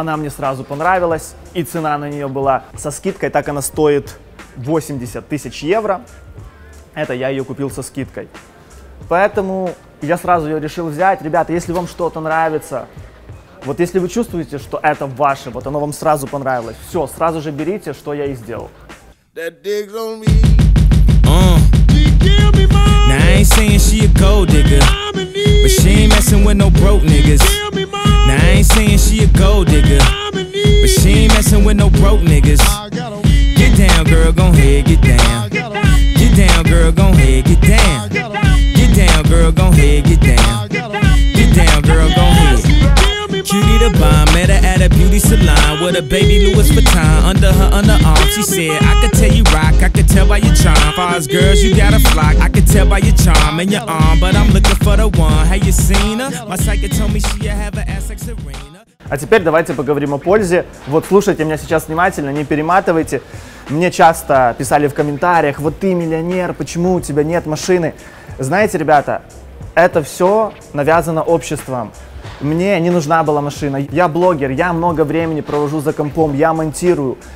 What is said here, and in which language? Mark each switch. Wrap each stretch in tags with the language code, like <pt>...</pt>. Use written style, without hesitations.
<ru>Она мне сразу понравилась, и цена на нее была со скидкой, так она стоит 80 тысяч евро. Это я ее купил со скидкой. Поэтому я сразу ее решил взять. Ребята, если вам что-то нравится, вот если вы чувствуете, что это ваше, вот оно вам сразу понравилось, все, сразу же берите, что я и сделал.</ru> <en>That digs on me. Now I ain't saying she a gold digger, but she ain't messing with no broke niggas. Now I ain't saying she a gold digger, but she ain't messing with no broke niggas. Get down, girl, gon' head get down. Get down, girl, gon' head get down. Get down, girl, gon' head get down. Get down, girl, gon' head. Cutie the bomb, met her at a beauty salon with a baby Louis Vuitton under her underarm. She said, I could tell you rock, I could tell by your charm. For us girls, you got a flock, I could tell by your charm and your arm. But I'm looking for the one, have you seen her? My psychic told me she have an ass like Serena.</en> <ru>А теперь давайте поговорим о пользе. Вот слушайте меня сейчас внимательно, не перематывайте. Мне часто писали в комментариях, вот ты миллионер, почему у тебя нет машины? Знаете, ребята, это все навязано обществом. Мне не нужна была машина. Я блогер, я много времени провожу за компом, я монтирую.</ru>